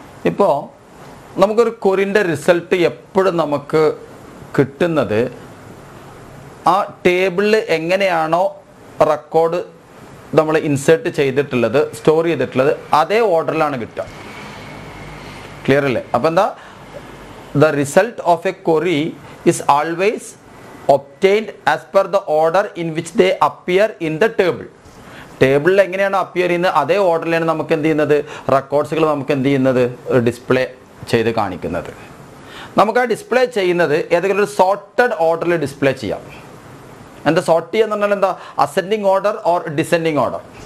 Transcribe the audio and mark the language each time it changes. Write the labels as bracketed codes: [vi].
[ml] ഇപ്പോൾ നമുക്കൊരു ക്വറിൻ്റെ റിസൾട്ട് എപ്പോഴും നമുക്ക് കിട്ടുന്നത് ആ ടേബിളിൽ എങ്ങനെയാണോ റെക്കോർഡ് നമ്മൾ ഇൻസേർട്ട് ചെയ്തിട്ടുള്ളത്, സ്റ്റോർ ചെയ്തിട്ടുള്ളത്, അതേ ഓർഡറിലാണ് കിട്ടുക. ക്ലിയർ അല്ലേ? [en] അപ്പോൾ എന്താ, the result of a query is always obtained as per the order in which they appear in the table. [ml] ടേബിളിൽ എങ്ങനെയാണ് അപ്പിയർ ചെയ്യുന്നത്, അതേ ഓർഡറിലാണ് നമുക്ക് എന്ത് ചെയ്യുന്നത്, റെക്കോർഡ്സുകൾ നമുക്ക് എന്ത് ചെയ്യുന്നത്, ഡിസ്പ്ലേ ചെയ്ത് കാണിക്കുന്നത്. നമുക്ക് ആ ഡിസ്പ്ലേ ചെയ്യുന്നത് ഏതെങ്കിലും ഒരു സോർട്ടഡ് ഓർഡറിൽ ഡിസ്പ്ലേ ചെയ്യാം. എന്താ സോർട്ട് ചെയ്യുക എന്ന് പറഞ്ഞാൽ, എന്താ, ascending order or descending order.